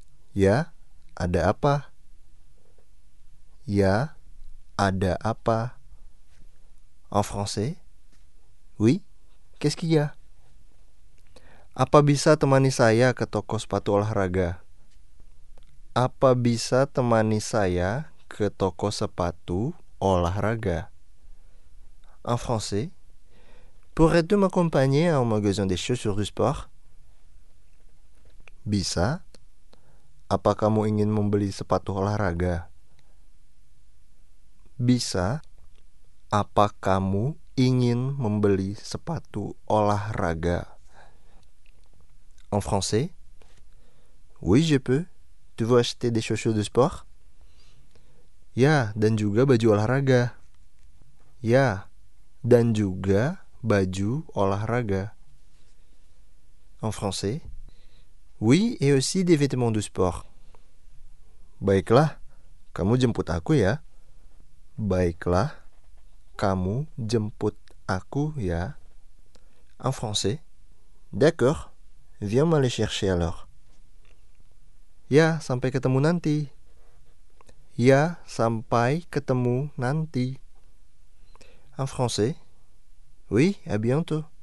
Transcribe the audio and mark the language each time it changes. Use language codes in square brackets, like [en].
[id] Ya, ada apa? Ya, ada apa? [fr] En français. Oui, qu'est-ce qu'il y a? [id] Apa bisa temani saya ke toko sepatu olahraga? Apa bisa temani saya ke toko sepatu olahraga? [fr] En français, pourrais-tu m'accompagner à un magasin des chaussures de sport? [id] Bisa. Apa kamu ingin membeli sepatu olahraga? Bisa. Apa kamu ingin membeli sepatu olahraga? [fr] En français, oui, je peux. Tu veux acheter des chaussures de sport? [id] Ya, dan juga baju olahraga. Ya, dan juga baju olahraga. [fr] En français, oui, et aussi des vêtements de sport. [id] Baiklah, kamu jemput aku ya. Baiklah, kamu jemput aku ya. [fr] En français, d'accord, viens m'aller chercher alors. [id] Ya, sampai ketemu nanti. Ya, sampai ketemu nanti. [fr] En français, oui, à bientôt.